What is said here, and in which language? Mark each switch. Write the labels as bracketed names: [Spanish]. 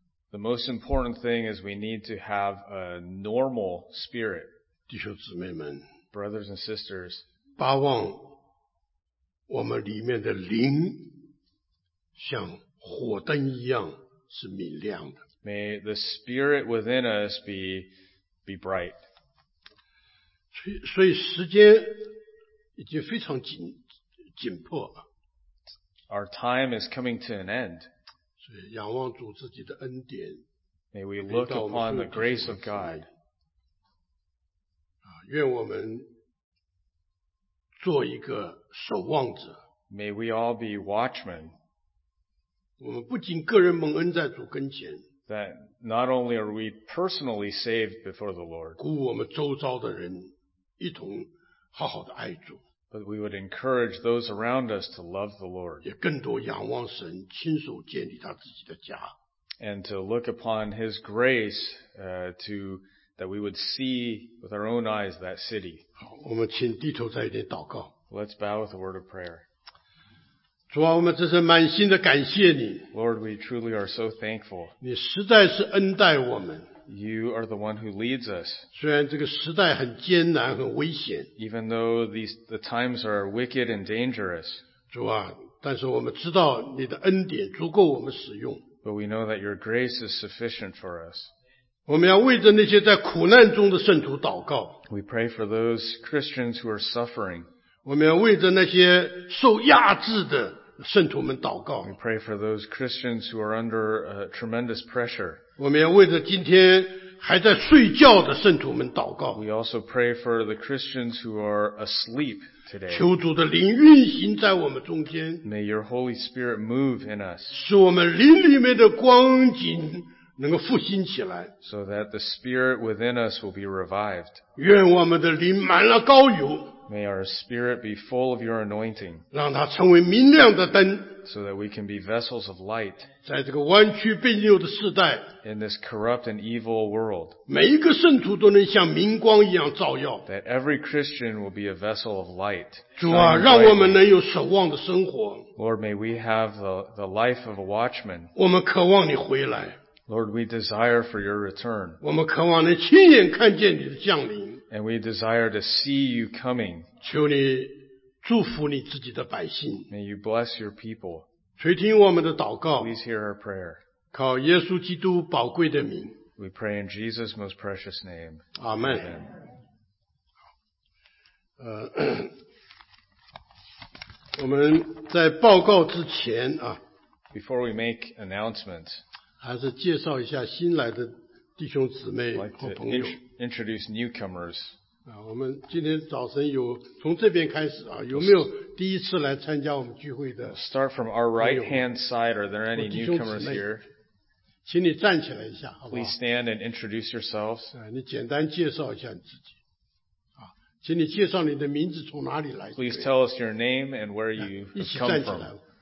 [English] The most important thing is we need to have a normal spirit. [Chinese] 弟兄姊妹们， [English] Brothers and sisters, [Chinese] 巴望我们里面的灵像火灯一样是明亮的。 [English] May the spirit within us be bright. [Chinese] 所以时间已经非常紧迫。 [English] Our time is coming to an end. [Chinese] 仰望主自己的恩典， [English] May we look upon the grace of God. [Chinese] 愿我们做一个守望者。 [English] May we all be watchmen. [Chinese] 我们不仅个人蒙恩在主跟前， [English] That not only are we personally saved before the Lord, [Chinese] 鼓舞我们周遭的人一同好好的爱主。 [English] But we would encourage those around us to love the Lord. [Chinese] 也更多仰望神亲手建立他自己的家。 [English] And to look upon his grace, that we would see with our own eyes that city. [Chinese] 好，我们请低头再一点祷告。 [English] Let's bow with a word of prayer. [Chinese] 主啊，我们真是满心的感谢你。 [English] Lord, we truly are so thankful. [Chinese] 你实在是恩待我们。 [English] You are the one who leads us. [Chinese] 虽然这个时代很艰难很危险， [English] Even though the times are wicked and dangerous. [Chinese] 主啊，但是我们知道你的恩典足够我们使用。 [English] But we know that your grace is sufficient for us. [Chinese] 我们要为着那些在苦难中的圣徒祷告。 [English] We pray for those Christians who are suffering. [Chinese] 我们要为着那些受压制的圣徒们祷告。 [English] We pray for those Christians who are under tremendous pressure. [Chinese] 我们要为着今天还在睡觉的圣徒们祷告。 [English] We also pray for the Christians who are asleep today. [Chinese] 求主的灵运行在我们中间。 [English] May your Holy Spirit move in us. [Chinese] 使我们灵里面的光景能够复兴起来。 [English] So that the Spirit within us will be revived. [Chinese] 愿我们的灵满了膏油。 [English] May our spirit be full of your anointing. [Chinese] 让它成为明亮的灯。 [English] So that we can be vessels of light. [Chinese] 在这个弯曲病扭的时代。 [English] In this corrupt and evil world. [Chinese] 每一个圣徒都能像明光一样照耀。 [English] That every Christian will be a vessel of light. [Chinese] 主啊，让我们能有守望的生活。 [English] Lord, may we have the life of a watchman. [Chinese] 我们渴望你回来。 [English] Lord, we desire for your return. [Chinese] 我们渴望能亲眼看见你的降临。 [English] And we desire to see you coming. [Chinese] 求你祝福你自己的百姓。 [English] May you bless your people. [Chinese] 垂听我们的祷告。 [English] Please hear our prayer. [Chinese] 靠耶稣基督宝贵的名。 [English] We pray in Jesus' most precious name. Amen. [Chinese] 我们在报告之前啊。 [English] Before we make announcements. [Chinese] 还是介绍一下新来的弟兄姊妹和朋友。 [English] Introduce newcomers. [Chinese] 我们今天早晨有从这边开始啊，有没有第一次来参加我们聚会的 [English] ？Start from our right hand side. Are there any newcomers here? [Chinese] 请你站起来一下，好不好 [English] ？Please stand and introduce yourselves. [Chinese] 你简单介绍一下你自己。啊，请你介绍你的名字从哪里来 [English] ？Please tell us your name and where you come from.